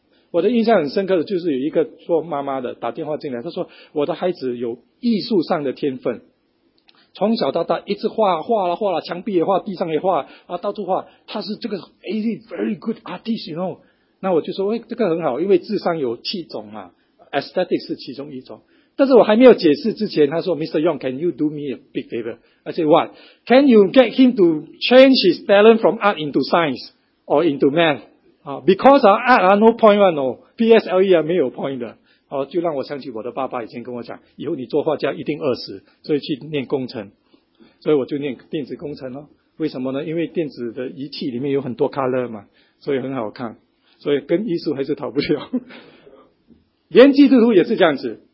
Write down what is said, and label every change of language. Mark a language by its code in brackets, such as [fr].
[zh] 我的印象很深刻的就是有一个做妈妈的打电话进来，她说我的孩子有艺术上的天分，从小到大一直画画了画了，墙壁也画，地上也画啊，到处画，他是这个 [en] AD very good artist， you know。 [zh] 那我就说，这个很好，因为智商有七种嘛， aesthetic 是其中一种。但是我还没有解释之前，他说 Mr. [en] Young， can you do me a big favor？ I say what？ Can you get him to change his talent from art into science or into math？ Because our art are no point one, no. [zh] PSLE 啊，没有 point 的。就让我想起我的爸爸以前跟我讲，以后你做画家一定饿死，所以去念工程。所以我就念电子工程咯。为什么呢？因为电子的仪器里面有很多 color 嘛，所以很好看。所以跟艺术还是逃不了。连基督徒也是这样子。